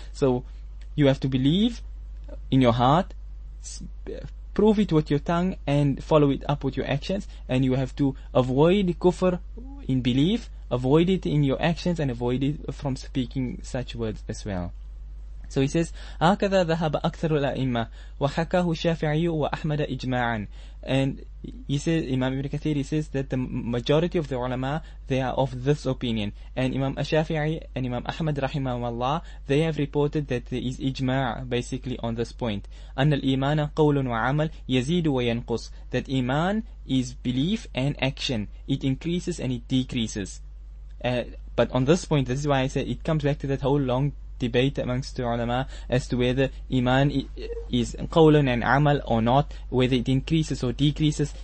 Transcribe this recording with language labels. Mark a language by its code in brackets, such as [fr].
[en] So you have to believe in your heart, prove it with your tongue and follow it up with your actions, and you have to avoid kufr in belief, avoid it in your actions, and avoid it from speaking such words as well. So he says, [ar] هكذا ذهب أكثر الأئمة وحكاه الشافعي وأحمد إجماعا. [en] And he says, Imam Ibn Kathir, he says that the majority of the ulama, they are of this opinion. And Imam Ash-Shafi'i and Imam Ahmad rahimahumallah, they have reported that there is ijma' basically on this point. [ar] أن الإيمان قول وعمل يزيد وينقص. [en] That iman is belief and action. It increases and it decreases. But on this point, this is why I say it comes back to that whole long debate amongst the ulama as to whether iman is qawlun and amal or not, whether it increases or decreases.